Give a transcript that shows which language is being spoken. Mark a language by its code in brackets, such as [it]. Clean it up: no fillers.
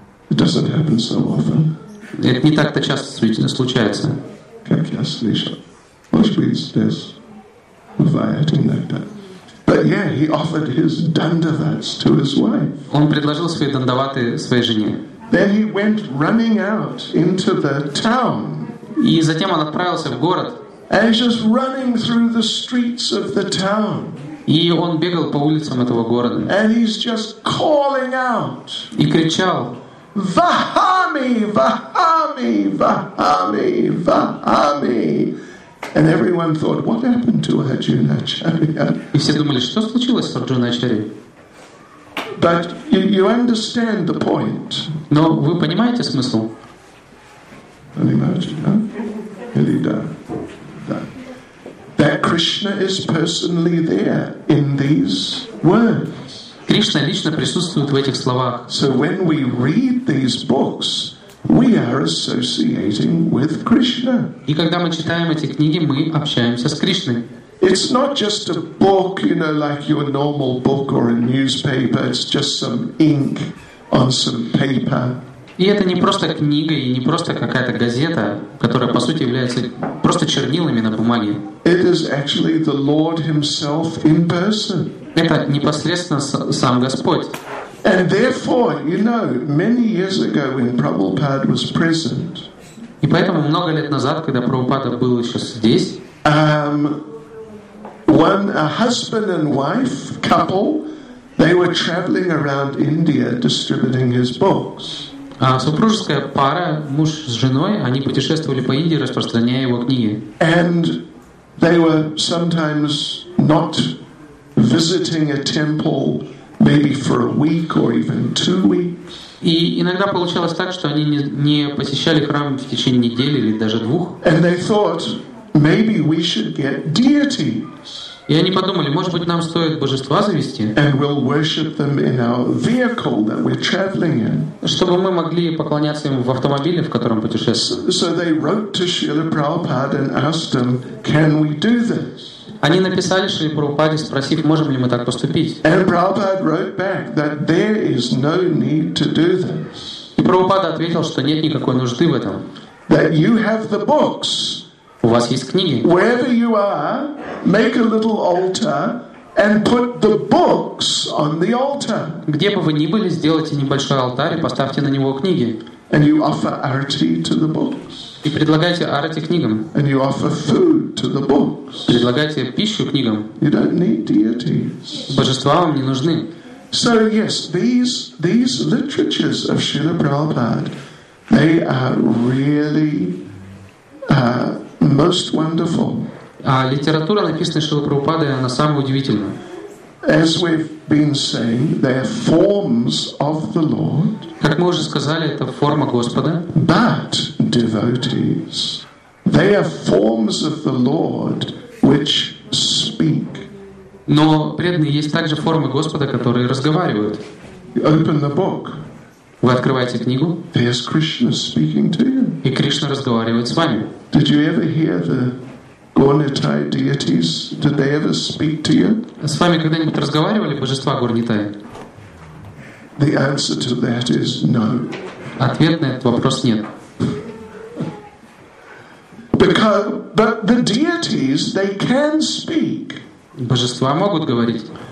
[en] It doesn't happen so often. [ru] Это не так-то часто случается. Как я слышал, может быть, здесь бывает иногда. [en] But yeah, he offered his dandavats to his wife. [ru] Он предложил свои дандаваты своей жене. [en] Then he went running out into the town. [ru] И затем он отправился в город. [en] And he's just running through the streets of the town. [ru] И он бегал по улицам этого города. [en] And he's just calling out. [ru] И кричал. Vahami, Vahami, Vahami, Vahami. [en] And everyone thought, what happened to Arjunacharya? [ru] И все думали, что случилось с Арджуначарьей? [en] But you understand the point. [ru] Но вы понимаете смысл? Понимаете, да? Или да? Да. [en] That Krishna is personally there in these words. [ru] Кришна лично присутствует в этих словах. [en] So when we read these books, we are associating with Krishna. [ru] И когда мы читаем эти книги, мы общаемся с Кришной. [en] It's not just a book, you know, like your normal book or a newspaper. It's just some ink on some paper. [ru] И это не просто книга и не просто какая-то газета, которая по сути является просто чернилами на бумаге. [en] It is actually the Lord Himself in person. [ru] Это непосредственно сам Господь. [en] And therefore, you know, many years ago when Prabhupada was present. [ru] И поэтому много лет назад, когда Прабхупада был еще здесь, [en] when a husband and wife couple, they were traveling around India distributing his books. [ru] А супружеская пара, муж с женой, они путешествовали по Индии, распространяя его книги. [en] And they were sometimes not visiting a temple. Maybe for a week or even 2 weeks. [ru] И иногда получалось так, что они не посещали храм в течение недели или даже двух. [en] And they thought maybe we should get deities. [ru] И они подумали, может быть, нам стоит божества завести. [en] And we'll worship them in our vehicle that we're traveling in. [ru] Чтобы мы могли поклоняться им в автомобиле, в котором путешествуем. [en] So they wrote to Srila Prabhupada and asked him, can we do this? [ru] Они написали Шри Прабхупаде, спросив, можем ли мы так поступить. [en] And Prabhupada wrote back that there is no need to do this. [ru] И Прабхупада ответил, что нет никакой нужды в этом. [en] That you have the books. [ru] У вас есть книги. [en] Wherever you are, make a little altar and put the books on the altar. [ru] Где бы вы ни были, сделайте небольшой алтарь и поставьте на него книги. [en] And you offer arati to the books. [ru] И предлагайте арати книгам. [en] And you offer food to the books. [ru] Предлагайте пищу книгам. [en] You don't need deities. [ru] Божества вам не нужны. [en] So yes, these literatures of Srila Prabhupada, they are really most wonderful. [ru] А литература, написанная Шрилой Прабхупадой, она самая удивительная. [en] As we've been saying, they are forms of the Lord. [ru] Как мы уже сказали, это форма Господа. [en] But devotees, they are forms of the Lord which speak. [ru] Но преданные есть также формы Господа, которые разговаривают. [en] Open the book. [ru] Вы открываете книгу. [en] There's Krishna speaking to you. [ru] И Кришна разговаривает с вами. [en] Did you ever hear the Горнитай deities, did they ever speak to you? [ru] С вами когда-нибудь разговаривали божества Горнитай? [en] The answer to that is no. [ru] Ответ на этот вопрос нет. [en] But the deities, they can speak. [ru] Божества могут говорить.